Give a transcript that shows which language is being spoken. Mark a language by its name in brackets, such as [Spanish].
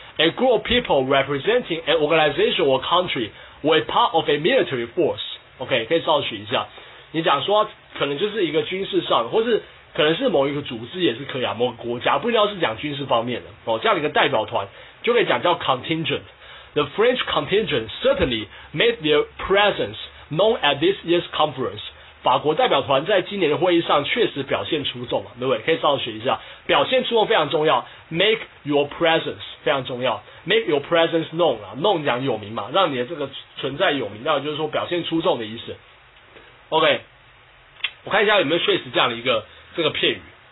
[English] A group of people representing an organization or country were part of a military force. [Chinese] OK， 可以稍微取一下。你讲说可能就是一个军事上，或是可能是某一个组织也是可以啊，某个国家不一定要是讲军事方面的哦。这样一个代表团就可以讲叫 contingent。 [English] The French contingent certainly made their presence known at this year's conference. [Chinese] 法国代表团在今年的会议上确实表现出众嘛，对不对？可以稍微学一下，表现出众非常重要。 Make your presence 非常重要。 [English] Make your presence known [Chinese] 啊 ，known 讲有名嘛，让你的这个存在有名，那就是说表现出众的意思。 OK， 我看一下有没有确实这样的一个这个片语。